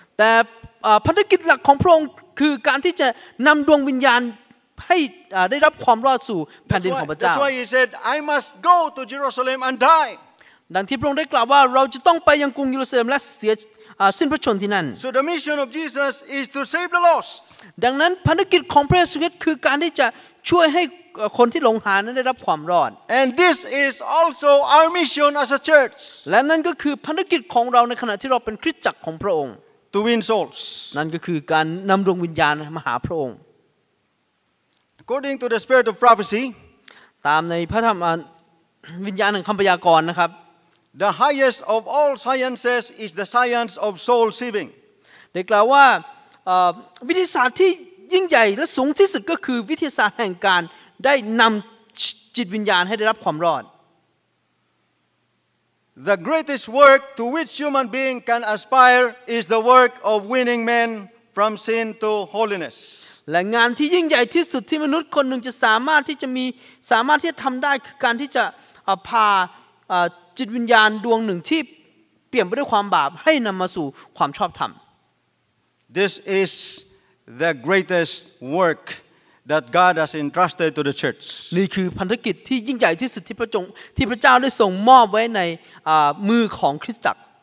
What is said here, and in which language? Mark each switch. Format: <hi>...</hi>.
<th>แต่ภารกิจหลักของพระองค์คือการที่จะนำดวงวิญญาณให้ได้รับความรอดสู่แผ่นดินของพระเจ้า</th> <en>That's why he said I must go to Jerusalem and die</en> <th>ดังที่พระองค์ได้กล่าวว่าเราจะต้องไปยังกรุงเยรูซาเล็มและเสียสิ้นพระชนที่นั่น</th> <en>So the mission of Jesus is to save the lost</en> <th>ดังนั้นภารกิจของพระเยซูคริสต์คือการที่จะช่วยให้คนที่หลงหานั้นได้รับความรอด</th> <en>And this is also our mission as a church</en> <th>และนั่นก็คือภารกิจของเราในขณะที่เราเป็นคริสตจักรของพระองค์</th> <en>To win souls.</en> <th>นั่นก็คือการนำดวงวิญญาณมาหาพระองค์</th> <en>According to the spirit of prophecy,</en> <th>ตามในพระธรรมวิญญาณแห่งคำพยากรณ์นะครับ</th> <en>The highest of all sciences is the science of soul saving.</en> <th>ได้กล่าวว่าวิทยาศาสตร์ที่ยิ่งใหญ่และสูงที่สุดก็คือวิทยาศาสตร์แห่งการได้นำจิตวิญญาณให้ได้รับความรอด</th> <en>The greatest work to which human being can aspire is the work of winning men from sin to holiness.</en> <th>และงานที่ยิ่งใหญ่ที่สุดที่มนุษย์คนหนึ่งจะสามารถที่จะมีสามารถที่จะทำได้คือการที่จะพาจิตวิญญาณดวงหนึ่งที่เปี่ยมไปด้วยความบาปให้นำมาสู่ความชอบธรรม</th> <en>This is the greatest work that God has entrusted to the church.</en> <th>นี่คือภารกิจที่ยิ่งใหญ่ที่สุดที่พระองค์ที่พระเจ้าได้ทรงมอบไว้ในมือของคริสตจักร</th>